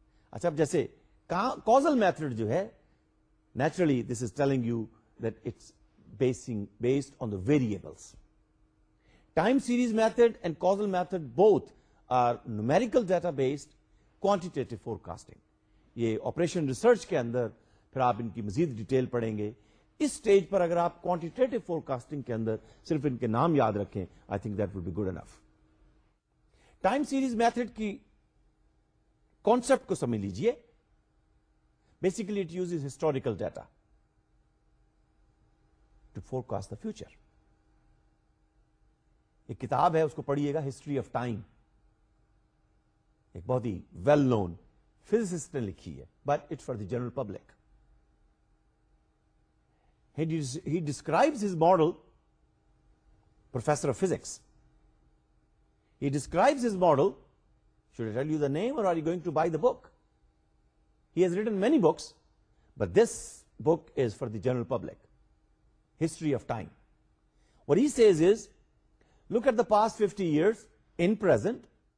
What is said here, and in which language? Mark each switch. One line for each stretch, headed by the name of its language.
Urdu: اچھا اب جیسے کازل میتھڈ جو ہے,
English: Naturally this is telling you that it's basing based on the variables. Time series method and causal method both are numerical data based quantitative forecasting.
Urdu: یہ operation research کے اندر پھر آپ ان کی مزید ڈیٹیل پڑھیں گے. اس سٹیج پر اگر آپ کوانٹیٹیٹیو فور کاسٹنگ کے اندر صرف ان کے نام یاد رکھیں,
English: I think that would be good enough.
Urdu: Time series method کی کانسپٹ کو سمجھ لیجیے.
English: Basically it use historical data to forecast the future.
Urdu: ایک کتاب ہے اس کو پڑھیے گا, ہسٹری آف ٹائم, ایک بہت ہی ویل نون فزسسٹ نے لکھی ہے,
English: But it for the general public. He describes his model, professor of physics, he describes his model. Should I tell you the name or are you going to buy the book? He has written many books, but this book is for the general public. History of time. What he says is, look at the past 50 years in present.